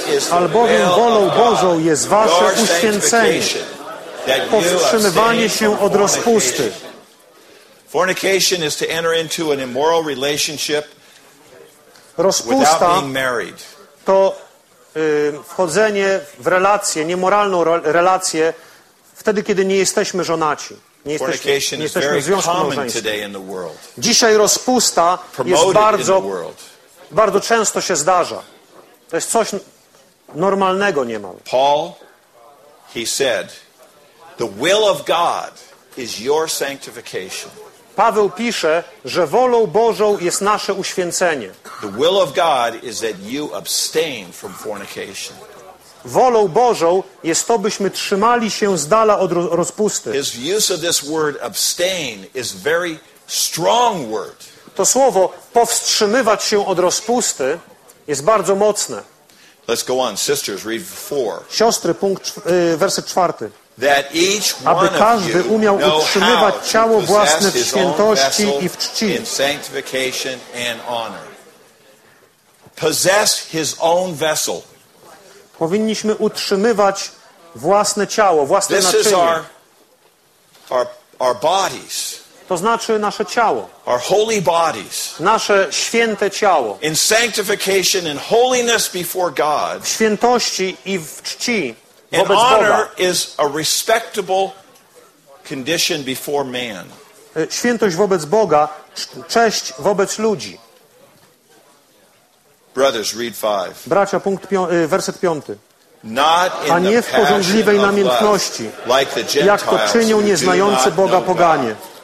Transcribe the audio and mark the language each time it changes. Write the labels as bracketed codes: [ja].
[pl] Albowiem wolą Bożą jest wasze uświęcenie, powstrzymywanie się od rozpusty. [en] Fornication is to enter into an immoral relationship without being married. [pl] To wchodzenie w relację, niemoralną relację, wtedy, kiedy nie jesteśmy żonaci. Nie jesteśmy w związku małżeńskim. Dzisiaj rozpusta jest bardzo często się zdarza. To jest coś normalnego niemal. [en] Paul, he said, the will of God is your sanctification. [pl] Paweł pisze, że wolą Bożą jest nasze uświęcenie. [en] The will of God is that you abstain from fornication. [pl] Wolą Bożą jest to, byśmy trzymali się z dala od rozpusty. [en] His use of this word abstain is very strong word. [pl] To słowo powstrzymywać się od rozpusty jest bardzo mocne. [en] Let's go on, sisters, read four. [pl] Siostry, werset czwarty. [en] That each one [pl] aby każdy [en] of you [pl] umiał utrzymywać ciało własne w świętości i w czci. [en] In sanctification and honor. Possess his own vessel. [pl] Powinniśmy utrzymywać własne ciało, własne [en] this [pl] naczynie. [en] Is our bodies. [pl] To znaczy nasze ciało. [en] Our holy bodies. [pl] Nasze święte ciało. [en] In sanctification and holiness before God. [pl] W świętości i w czci. [en] And honor is a respectable condition before man. [pl] Świętość wobec Boga, cześć wobec ludzi. [en] Brothers, read five. [pl] Bracia, werset piąty. [en] Not in [pl] a nie w pożądliwej namiętności, [en] like the Gentiles, [pl] jak to czynią nieznający Boga poganie.